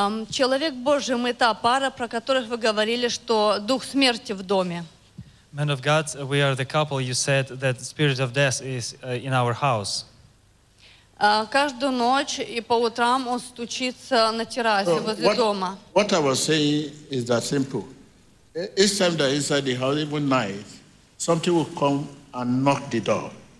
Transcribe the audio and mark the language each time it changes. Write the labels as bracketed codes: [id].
[ru] Человек Божий, мы та пара, про которых вы говорили, что дух смерти в доме. [en] Man of God, we are the couple you said that the spirit of death is in our house. [ru] Каждую ночь и по утрам он стучится на террасе возле дома. [en] What I was saying is that simple. Each time they're inside the house, even night, something will come and knock the door.